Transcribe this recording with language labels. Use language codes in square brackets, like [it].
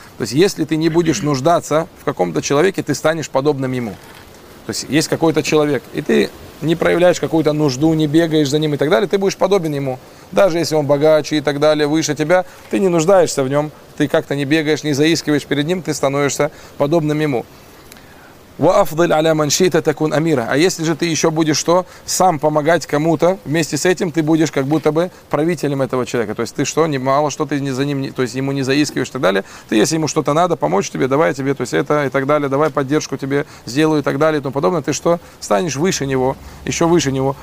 [ru] То есть если ты не будешь нуждаться в каком-то человеке, ты станешь подобным ему. То есть есть какой-то человек, и ты не проявляешь какую-то нужду, не бегаешь за ним и так далее, ты будешь подобен ему. Даже если он богаче и так далее, выше тебя, ты не нуждаешься в нем, ты как-то не бегаешь, не заискиваешь перед ним, ты становишься подобным ему. [ar] وأفضل على من شئت تكون أميرا. [ru] А если же ты еще будешь что, сам помогать кому-то, вместе с этим ты будешь как будто бы правителем этого человека. То есть ты что, не мало, что ты не за ним, то есть ему не заискиваешь и так далее. Ты, если ему что-то надо, помочь тебе, давай тебе, то есть это и так далее, давай поддержку тебе сделаю и так далее и тому подобное. Ты что, станешь выше него, еще выше него.